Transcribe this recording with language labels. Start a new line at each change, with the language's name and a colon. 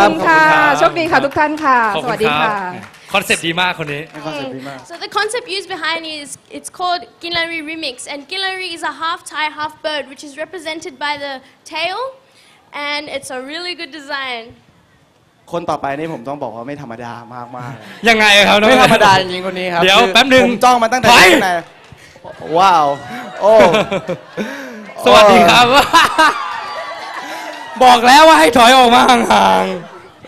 Thai: ขอบคุณค่ะโชคดีค่ะทุกท่านค่ะสวัสดีค่ะ Concept ดีมากคนนี้
English: So the concept used behind is it's called Ginlari Remix and Ginlari is a half Thai half bird which is represented by the tail and it's a really good design
Thai: คนต่อไปนี่ผมต้องบอกว่าไม่ธรรมดามาก ๆยังไงครับ ไม่ธรรมดาจริงๆคนนี้ครับ เดี๋ยวแป๊บนึง ผมจ้องมาตั้งแต่ที่ไหนว้าวโอ้สวัสดีครับบอกแล้วว่าให้ถอยออกมาห่างๆ